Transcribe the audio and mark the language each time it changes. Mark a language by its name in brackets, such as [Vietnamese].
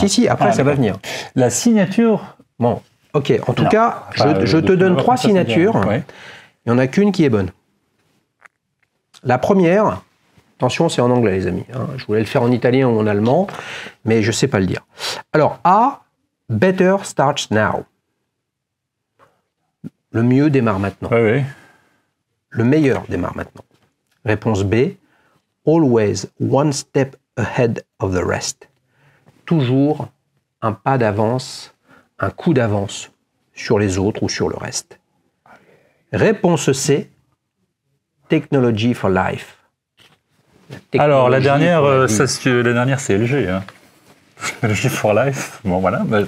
[French] Si, après, ça va venir. La signature? Bon, OK. En tout cas, je te donne trois signatures. Il n'y en a qu'une qui est bonne. La première, attention, c'est en anglais, les amis. Je voulais le faire en italien ou en allemand, mais je ne sais pas le dire. [English] Alors, A, better start now. [French] Le mieux démarre maintenant. Oui. Le meilleur démarre maintenant. Réponse B. [English] Always one step ahead of the rest. [French] Toujours un pas d'avance, un coup d'avance sur les autres ou sur le reste. Réponse C. [English] Technology for life. [French] Alors, la dernière, c'est LG. LG for life. Bon, voilà.